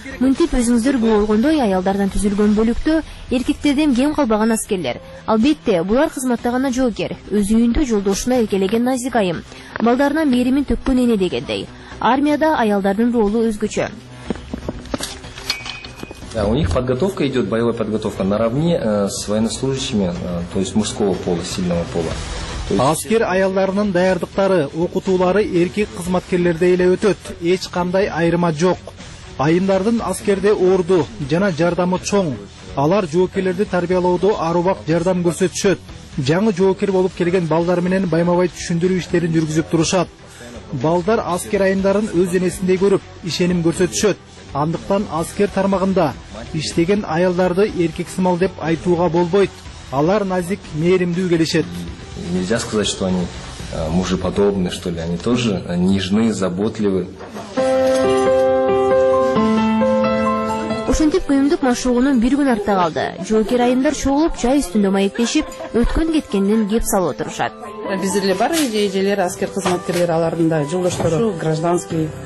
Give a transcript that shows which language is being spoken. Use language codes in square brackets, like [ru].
[ky] Мынтип өзүңүздөр көргөндөй аялдардан түзүлгөн бөлүктө эркектерден кем калбаган аскерлер. Албетте, булар кызматта гана жоокер, өз үйүндө жолдошуна эркелеген назик айым, балдарына мээримин төккөн эне дегендей. Армияда аялдардын ролу өзгөчө. [ru] Да, у них подготовка идет, боевая подготовка наравне с военнослужащими, то есть мужского пола, сильного пола. [ky] Аскер аялдарынын даярдыктары, окутуулары эркек кызматкерлерде эле өтөт. Эч кандай айырма жок. Айымдардын аскерде орду жана жардамы чоң. Алар жоокерлерди тарбиялоодо ар убак жардам көрсөтүшөт. Жаңы жоокер болуп келген балдар менен байма-бай түшүндүрүү иштерин жүргүзүп турушат. Балдар аскер айымдарын өз денесиндей көрүп, ишеним көрсөтүшөт. Андыктан аскер тармагында иштеген аялдарды эркек сымал деп айтууга болбойт. Алар назик, мээримдүү келишет. [ru] Нельзя сказать, что они мужеподобны, что ли. Они тоже нежны, заботливы. [ky] Ошентип күйүмдүк машыгуунун бир күн артта калды. Жоокер айымдар чогулуп чай үстүндө маектешип, өткөн кеткенден кеп салып отурушат. Биздер эле бар эжелер, аскер кызматкерлер, алардын да жолдоштору гражданский.